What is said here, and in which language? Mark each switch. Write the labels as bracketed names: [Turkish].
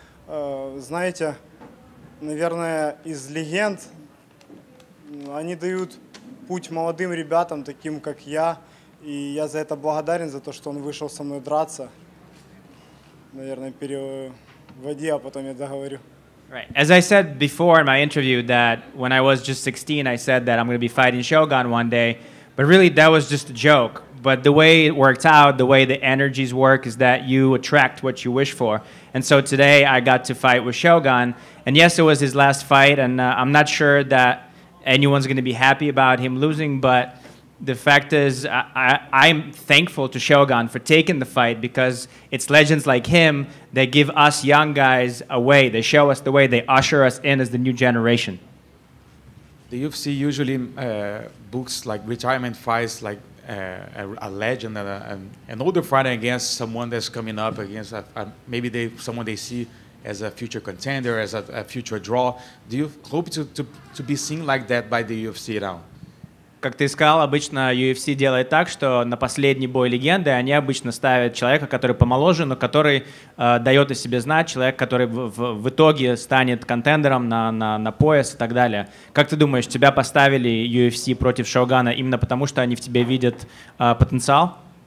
[Russian] Знаете, наверное, из легенд они дают путь молодым ребятам, таким как я, и я за это благодарен, за то, что он вышел со мной драться. Наверное, переводи, а потом я договорю. [English] Right. As I said before in my interview, that when I was just 16, I said that I'm going to be fighting Shogun one day, but really that was just a joke. But the way it worked out, the way the energies work, is that you attract what you wish for. And so today I got to fight with Shogun. And yes, it was his last fight, and I'm not sure that anyone's going to be happy about him losing, but the fact is I'm thankful to Shogun for taking the fight, because it's legends like him that give us young guys a way. They show us the way. They usher us in as the new generation. The UFC usually books like retirement fights like a legend and an older fighter against someone that's coming up against someone they see as a future contender, as a future draw. Do you hope to be seen like that by the UFC now? [Russian] Как ты сказал, обычно UFC делает так, что на последний бой легенды они обычно ставят человека, который помоложе, но который дает о себе знать, человек, который в итоге станет контендером на пояс и так далее. Как ты думаешь, тебя поставили UFC против Шогана именно потому, что они в тебе видят потенциал?